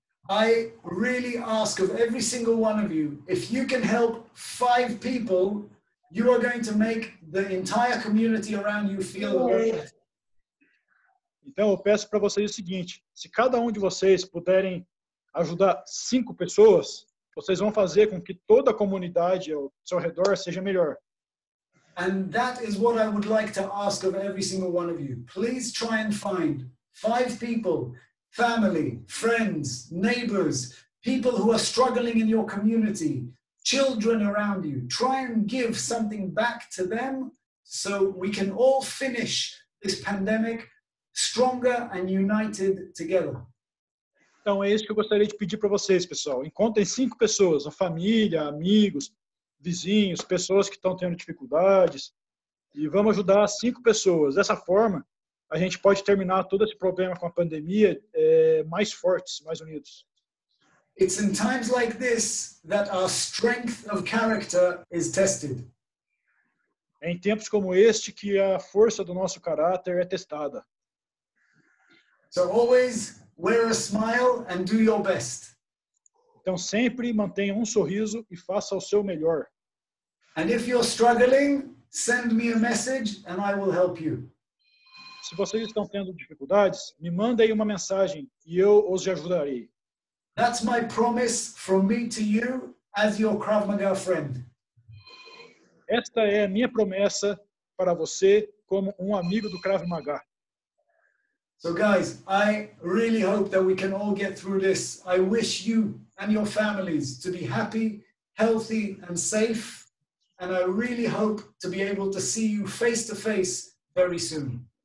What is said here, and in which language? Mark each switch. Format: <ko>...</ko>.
<en>I really ask of every single one of you, if you can help 5 people, you are going to make the entire community around you feel good.</en> <pt>Então eu peço para vocês o seguinte, se cada um de vocês puderem ajudar 5 pessoas, vocês vão fazer com que toda a comunidade ao seu redor seja melhor.</pt> <en>And that is what I would like to ask of every single one of you. Please try and find 5 people, family, friends, neighbors, people who are struggling in your community, children around you. Try and give something back to them so we can all finish this pandemic stronger and united together.</en> <pt>Então é isso que eu gostaria de pedir para vocês, pessoal. Encontrem 5 pessoas, a família, amigos, vizinhos, pessoas que estão tendo dificuldades, e vamos ajudar 5 pessoas. Dessa forma, a gente pode terminar todo esse problema com a pandemia mais fortes, mais unidos.</pt> <en>It's in times like this that our strength of character is tested.</en> <pt>É em tempos como este que a força do nosso caráter é testada.</pt> <en>So always wear a smile and do your best.</en> <pt>Então sempre mantenha um sorriso e faça o seu melhor.</pt> <en>And if you're struggling, send me a message and I will help you.</en> <pt>Se vocês estão tendo dificuldades, me mandem uma mensagem e eu os ajudarei.</pt> <en>That's my promise from me to you as your Krav Maga friend.</en> <pt>Esta é a minha promessa para você como um amigo do Krav Maga.</pt> <en>So guys, I really hope that we can all get through this. I wish you and your families to be happy, healthy and safe. And I really hope to be able to see you face to face very soon.</en>